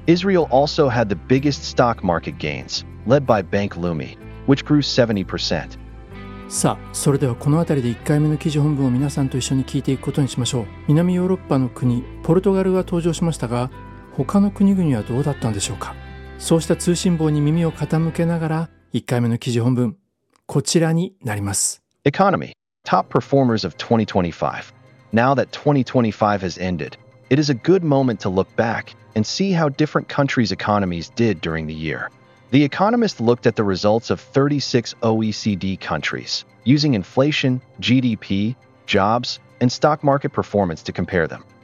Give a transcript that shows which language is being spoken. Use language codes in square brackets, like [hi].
[en] Israel also had the biggest stock market gains, led by Bank Leumi, which grew 70%. [ja] さあ、それではこのあたりで1回目の記事本文を皆さんと一緒に聞いていくことにしましょう。南ヨーロッパの国、ポルトガルが登場しましたが、他の国々はどうだったんでしょうか。そうした通信簿に耳を傾けながら、1回目の記事本文、こちらになります。 [en] Economy, top performers of 2025. Now that 2025 has ended, it is a good moment to look back and see how different countries' economies did during the year. The Economist looked at the results of 36 OECD countries, using inflation, GDP, jobs, and stock market performance to compare them.